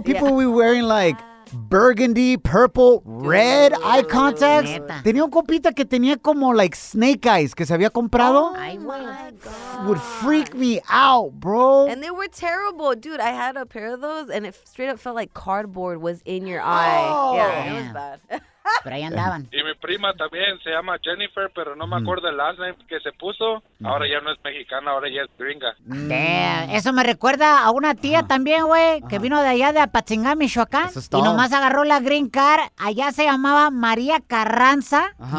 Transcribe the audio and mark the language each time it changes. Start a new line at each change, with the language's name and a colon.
English: People would be wearing like burgundy, purple, red eye contacts.
Spanish: Neta. Tenía un compita que tenía como
English: like snake eyes
Spanish: que se había comprado.
English: Oh, my God. Would freak me out, bro. And they were terrible. Dude, I had a pair of those and it straight up felt like cardboard was in your eye. Oh. Yeah, it was bad.
Spanish: Pero ahí andaban. Y mi prima también se llama Jennifer, pero no me acuerdo el last name que se puso. Ahora ya no es mexicana, ahora ya es gringa.
English: Damn.
Spanish: Eso me recuerda a una tía también, güey, que vino de allá de Apatzingán, Michoacán. Eso es todo. Y nomás agarró la green card. Allá se llamaba María Carranza. Ajá.